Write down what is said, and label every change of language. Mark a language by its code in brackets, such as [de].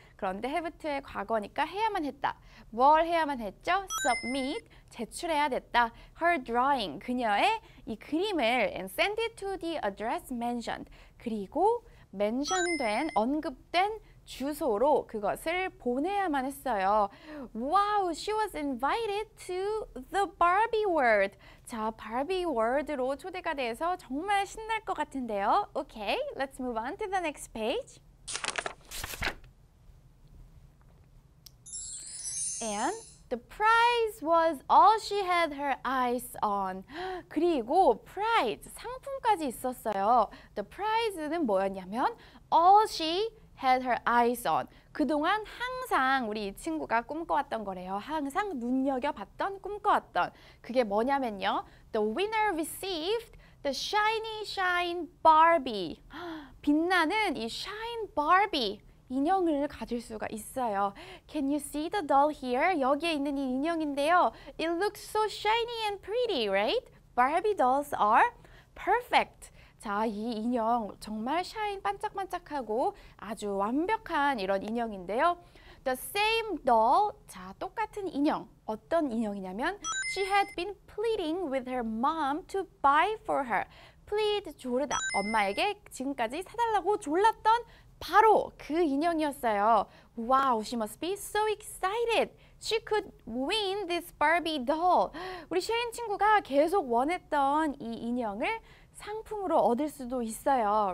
[ko] 그런데 have to의 과거니까 해야만 했다. 뭘 해야만 했죠? submit. 제출해야 됐다. [en] her drawing. [ko] 그녀의 이 그림을 [en] and send it to the address mentioned. [ko] 그리고 멘션된, 언급된 주소로 그것을 보내야만 했어요. [en] Wow, she was invited to the Barbie World. [ko] 자, Barbie World로 초대가 돼서 정말 신날 것 같은데요. [en] Okay, let's move on to the next page. And the prize was all she had her eyes on. [ko] 그리고 prize, 상품까지 있었어요. [en] The prize는 [ko] 뭐였냐면 [en] all she had her eyes on. [ko] 그동안 항상 우리 이 친구가 꿈꿔왔던 거래요. 항상 눈여겨봤던, 꿈꿔왔던. 그게 뭐냐면요. [en] The winner received the shiny shine Barbie. [ko] 빛나는 이 shine Barbie. 인형을 가질 수가 있어요. [en] Can you see the doll here? [ko] 여기에 있는 이 인형인데요. [en] It looks so shiny and pretty, right? Barbie dolls are perfect. [ko] 자, 이 인형 정말 shine, 반짝반짝하고 아주 완벽한 이런 인형인데요. [en] The same doll, [ko] 자, 똑같은 인형. 어떤 인형이냐면 [en] She had been pleading with her mom to buy for her. [ko] Plead, 조르다. 엄마에게 지금까지 사달라고 졸랐던 바로 그 인형이었어요. [en] Wow, she must be so excited. She could win this Barbie doll. [ko] 우리 쉐인 친구가 계속 원했던 이 인형을 상품으로 얻을 수도 있어요.